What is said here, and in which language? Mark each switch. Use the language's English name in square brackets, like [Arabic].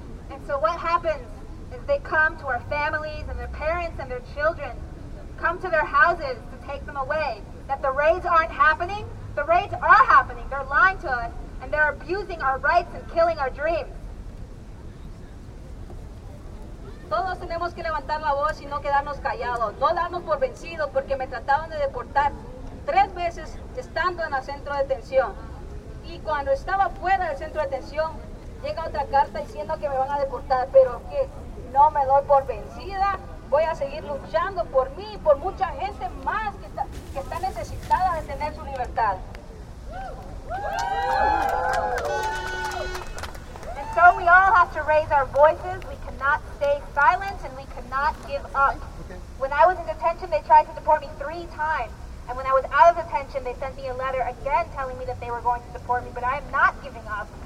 [English] And so what happens is they come to our families and their parents and their children, come to their houses to take them away. That the raids aren't happening? The raids are happening, they're lying to us. And they're abusing our rights and killing our dreams. [Spanish] Todos tenemos que levantar la voz y no quedarnos callados. No darnos por vencidos porque me trataban de deportar 3 veces estando en el centro de detención. Y cuando estaba fuera del centro de detención, llega otra carta diciendo que me van a deportar. Pero que no me doy por vencida. Voy a seguir luchando por mí y por mucha gente más que está necesitada de tener su libertad. [English] And so we all have to raise our voices. We cannot stay silent and we cannot give up. When I was in detention, they tried to deport me 3 times. And when I was out of detention, they sent me a letter again telling me that they were going to deport me. But I am not giving up.